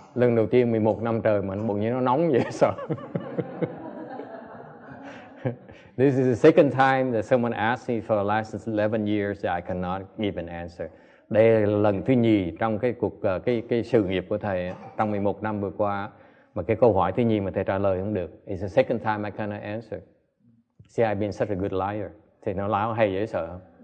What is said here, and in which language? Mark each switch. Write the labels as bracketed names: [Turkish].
[Vietnamese] Lần đầu tiên 11 năm trời mà bỗng nhiên nó nóng vậy sao? [English] This is the second time that someone asked me for a license 11 years that I cannot give an answer. [Vietnamese] Đây là lần thứ nhì trong cái cuộc cái sự nghiệp của thầy trong 11 năm vừa qua mà cái câu hỏi thứ nhì mà thầy trả lời không được. [English] It's the second time I cannot answer. See, I've been such a good liar. [Vietnamese] Thì nó láo hay dễ sợ.